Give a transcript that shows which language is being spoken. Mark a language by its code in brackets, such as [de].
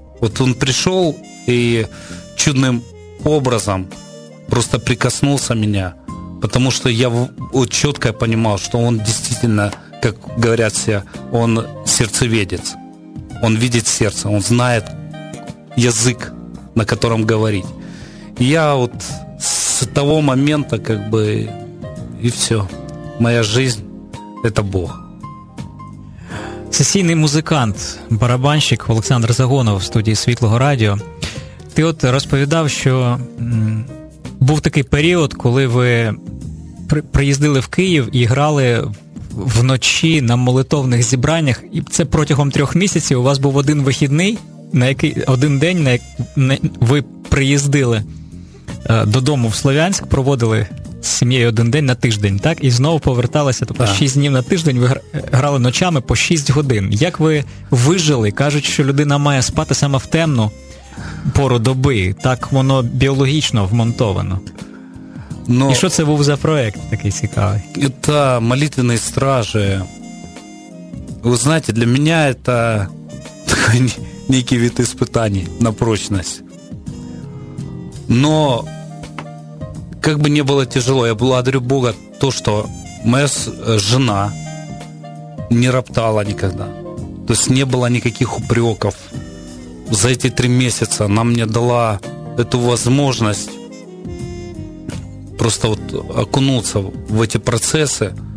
[ru] Вот Он пришел и чудным образом просто прикоснулся меня, потому что я вот четко понимал, что Он действительно, как говорят все, Он сердцеведец. Он видит сердце, Он знает язык, на котором говорить. Я вот с того момента как бы и все. Моя жизнь – это Бог. [uk] Сесійний музикант, барабанщик Олександр Загонов в студії Світлого Радіо. Ти от розповідав, що був такий період, коли ви приїздили в Київ і грали вночі на молитовних зібраннях. І це протягом 3 місяців. У вас був один вихідний, на який, один день, на який ви приїздили додому в Слов'янськ, проводили з сім'єю один день на тиждень, так? І знову поверталися, тобто 6 днів на тиждень ви грали ночами по 6 годин. Як ви вижили? Кажуть, що людина має спати саме в темну пору доби. Так воно біологічно вмонтовано. Но... І що це був за проєкт такий цікавий? Це молитвенні стражі. Ви знаєте, для мене це такий некий вид іспитань на прочність. [ru] Но как бы не было тяжело, я благодарю Бога то, что моя жена не роптала никогда. То есть не было никаких упреков. За эти 3 месяца она мне дала эту возможность просто вот окунуться в эти процессы.